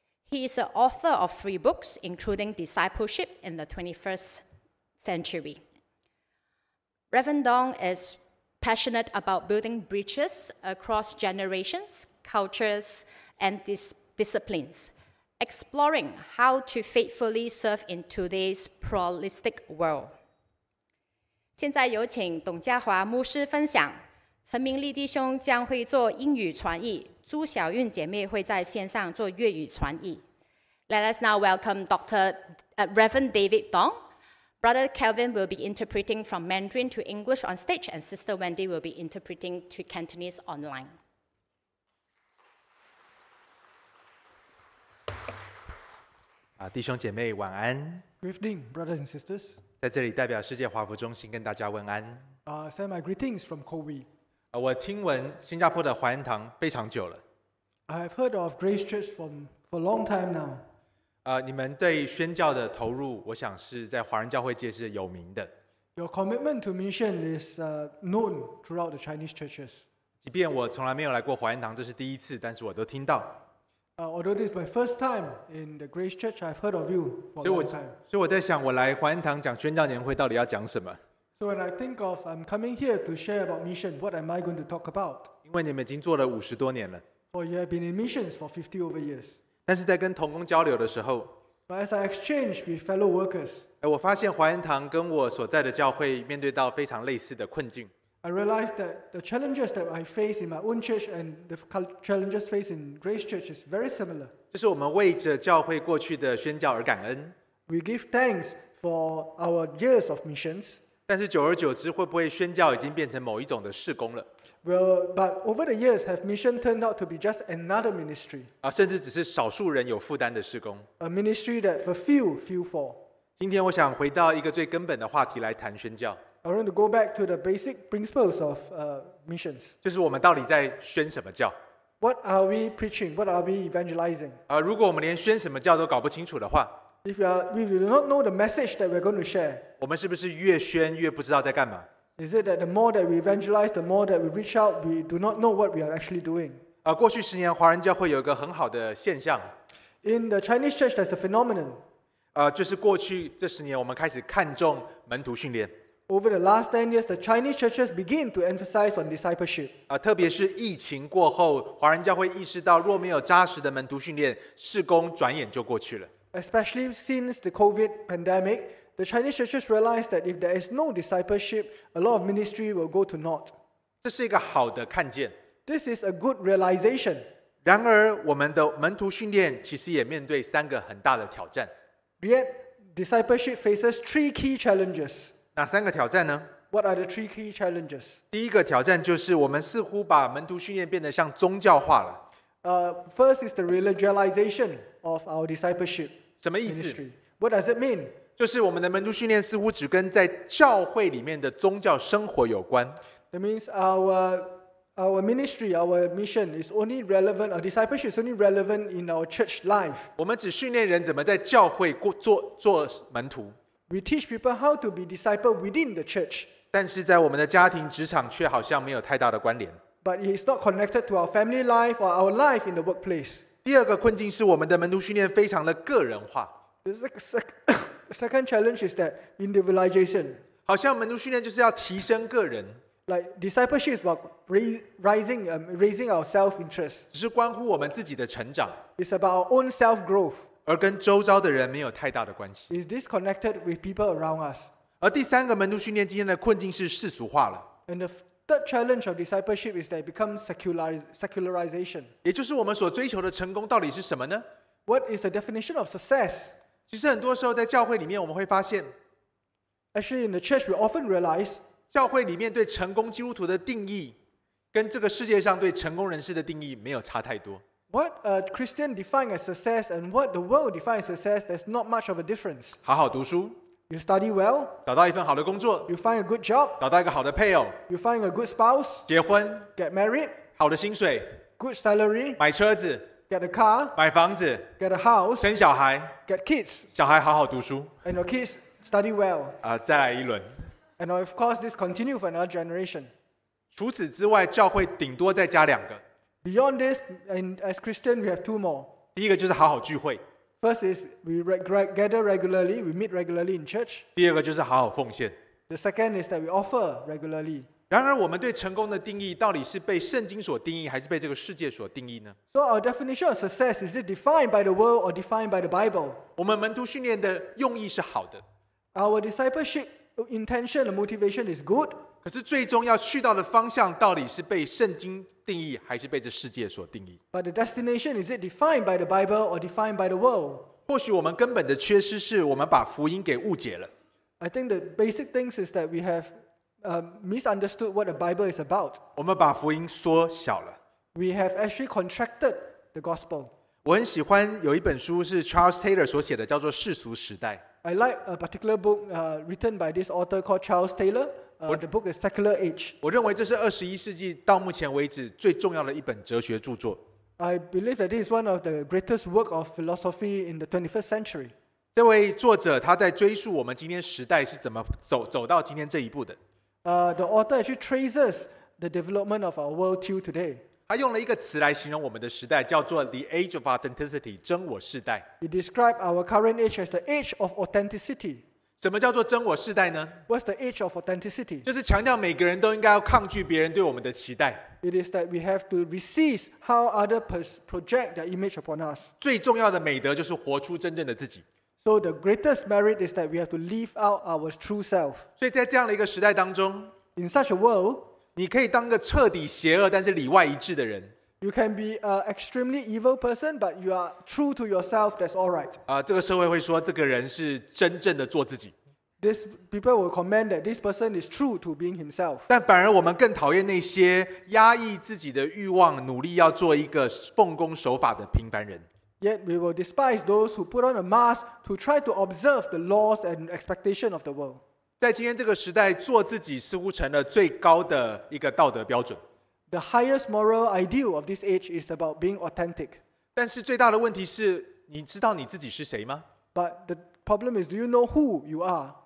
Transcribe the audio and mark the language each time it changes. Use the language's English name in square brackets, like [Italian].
[English] He is the author of three books, including Discipleship in the 21st Century. Reverend Dong is passionate about building bridges across generations, cultures, and disciplines, exploring how to faithfully serve in today's pluralistic world. [Chinese] 现在有请董家华牧师分享。陈明丽弟兄将会做英语传译，朱小韵姐妹会在线上做粤语传译。 [English] Let us now welcome Reverend David Dong. Brother Kelvin will be interpreting from Mandarin to English on stage, and Sister Wendy will be interpreting to Cantonese online. [Chinese] 弟兄姐妹晚安。 [English] Good evening, brothers and sisters. [Chinese] 在这里代表世界华福中心跟大家问安。 [English] Send my greetings from COWI. [Chinese] 我听闻新加坡的华严堂非常久了。 [English] I've heard of Grace Church for a long time now. [Chinese] 你们对宣教的投入，我想是在华人教会界是有名的。 [English] Your commitment to mission is known throughout the Chinese churches. [Chinese] 即便我从来没有来过华严堂，这是第一次，但是我都听到。 [English] Although this is my first time in the Grace Church, I've heard of you for a long time. [Chinese] 所以我在想，我来华严堂讲宣教年会到底要讲什么 [English] ？So when I think of I'm coming here to share about mission, what am I going to talk about? [Chinese] 因为你们已经做了五十多年了。 [English] Or you have been in missions for 50 over years. [Chinese] 但是在跟同工交流的时候 [English] ，But as I exchange with fellow workers, [Chinese] 我发现华严堂跟我所在的教会面对到非常类似的困境。 [English] I realized that the challenges that I face in my own church and the challenges faced in Grace Church is very similar. [Chinese] 这是我们为着教会过去的宣教而感恩。 [English] We give thanks for our years of missions. [Chinese] 但是久而久之，会不会宣教已经变成某一种的事工了？ [English] Well, but over the years, have mission turned out to be just another ministry? [Chinese] 啊，甚至只是少数人有负担的事工。 [English] A ministry that for few, few for. [Chinese] 今天我想回到一个最根本的话题来谈宣教。 [English] I want to go back to the basic principles of missions. [Chinese] 就是我们到底在宣什么教？ [English] What are we preaching? What are we evangelizing? [Chinese] 如果我们连宣什么教都搞不清楚的话 [English] if we do not know the message that we're going to share, [Chinese] 我们是不是越宣越不知道在干嘛？ [English] Is it that the more that we evangelize, the more that we reach out, we do not know what we are actually doing? [Chinese] 过去十年，华人教会有一个很好的现象。 [English] In the Chinese church, there's a phenomenon. [Chinese] 就是过去这十年，我们开始看重门徒训练。 [English] Over the last 10 years, the Chinese churches begin to emphasize on discipleship. [Chinese] 特别是疫情过后，华人教会意识到，若没有扎实的门徒训练，事工转眼就过去了。 [English] Especially since the COVID pandemic, the Chinese churches realized that if there is no discipleship, a lot of ministry will go to naught. [Chinese] 这是一个好的看见。 [English] This is a good realization. [Chinese] 然而，我们的门徒训练其实也面对三个很大的挑战。 [English] Yet, discipleship faces three key challenges. [Chinese] 哪三个挑战呢？ [English] What are the three key challenges? [Chinese] 第一个挑战就是我们似乎把门徒训练变得像宗教化了。 [English] First is the religialization of our discipleship. [Chinese] 什么意思？ [English] What does it mean? [Chinese] 就是我们的门徒训练似乎只跟在教会里面的宗教生活有关。 [English] That means our ministry, our mission is only relevant, our discipleship is only relevant in our church life. [Chinese] 我们只训练人怎么在教会做门徒。 [English] We teach people how to be disciple within the church. [Chinese] 但是在我们的家庭、职场却好像没有太大的关联。 [English] But it's not connected to our family life or our life in the workplace. [Chinese] 第二个困境是我们的门徒训练非常的个人化。 [English] The second challenge is that individualization. [Chinese] 好像门徒训练就是要提升个人。 [English] Like discipleship is about raising our self-interest. [Chinese] 只是关乎我们自己的成长。 [English] It's about our own self-growth. [Chinese] 而跟周遭的人没有太大的关系。 [English] Is this connected with people around us? [Chinese] 而第三个门徒训练今天的困境是世俗化了。 [English] And the third challenge of discipleship is that it becomes secularization. [Chinese] 也就是我们所追求的成功到底是什么呢？ [English] What is the definition of success? [Chinese] 其实很多时候在教会里面我们会发现 [English] Actually in the church we often realize [Chinese] 教会里面对成功基督徒的定义跟这个世界上对成功人士的定义没有差太多。 [English] What a Christian defines as success and what the world defines as success, there's not much of a difference. [Chinese] 好好读书。 [English] You study well. [Chinese] 找到一份好的工作。 [English] You find a good job. [Chinese] 找到一个好的配偶。 [English] You find a good spouse. [Chinese] 结婚。 [English] Get married. [Chinese] 好的薪水。 [English] Good salary. [Chinese] 买车子。 [English] Get a car. [Chinese] 买房子。 [English] Get a house. [Chinese] 生小孩。 [English] Get kids. [Chinese] 小孩好好读书。 [English] And your kids study well. [Chinese] 再来一轮。 [English] And of course, this continues for another generation. [Chinese] 除此之外，教会顶多再加两个。 [English] Beyond this, and as Christian, we have two more. [Chinese] 第一个就是好好聚会。 [English] First is we gather regularly, we meet regularly in church. [Chinese] 第二个就是好好奉献。 [English] The second is that we offer regularly. [Chinese] 然而我们对成功的定义到底是被圣经所定义还是被这个世界所定义呢？ [English] So our definition of success, is it defined by the world or defined by the Bible? [Chinese] 我们门徒训练的用意是好的。 [English] Our discipleship intention, the motivation is good. [Chinese] 可是最终要去到的方向到底是被圣经定义还是被这世界所定义 [English] But the destination is it defined by the Bible or defined by the world? [Chinese] 或许我们根本的缺失是我们把福音给误解了 [English] I think the basic things is that we have misunderstood what the Bible is about [Chinese] 我们把福音缩小了 [English] We have actually contracted the gospel [Chinese] 我很喜欢有一本书是 Charles Taylor 所写的叫做《世俗时代》 [English] I like a particular book written by this author called Charles Taylorthe book is Secular Age. [Chinese] 我认为这是21世纪到目前为止最重要的一本哲学著作。 [English] I believe that this is one of the greatest work of philosophy in the 21st century. [Chinese] 这位作者他在追溯我们今天时代是怎么 走到今天这一步的。 [English] The author actually traces the development of our world till today. [Chinese] 他用了一个词来形容我们的时代叫做 [English] The Age of Authenticity, [Chinese] 真我世代。 [English] He described our current age as the Age of Authenticity. [Chinese] 什么叫做真我世代呢 [English] What's the age of authenticity? [Chinese] 就是强调每个人都应该要抗拒别人对我们的期待 [English] It is that we have to resist how others project their image upon us [Chinese] 最重要的美德就是活出真正的自己 [English] So the greatest merit is that we have to live out our true self [Chinese] 所以在这样的一个时代当中 [English] In such a world [Chinese] 你可以当个彻底邪恶但是里外一致的人 [English] You can be an extremely evil person but you are true to yourself, that's alright [Chinese] 这个社会会说这个人是真正的做自己 [English] This people will comment that this person is true to being himself. [Chinese] 但反而我们更讨厌那些压抑自己的欲望，努力要做一个奉公守法的平凡人。 [English] Yet we will despise those who put on a mask to try to observe the laws and expectation of the world. [Chinese] 在今天这个时代，做自己似乎成了最高的一个道德标准。 [English] The highest moral ideal of this age is about being authentic. [Chinese] 但是最大的问题是，你知道你自己是谁吗？ [English] But the problem is, do you know who you are?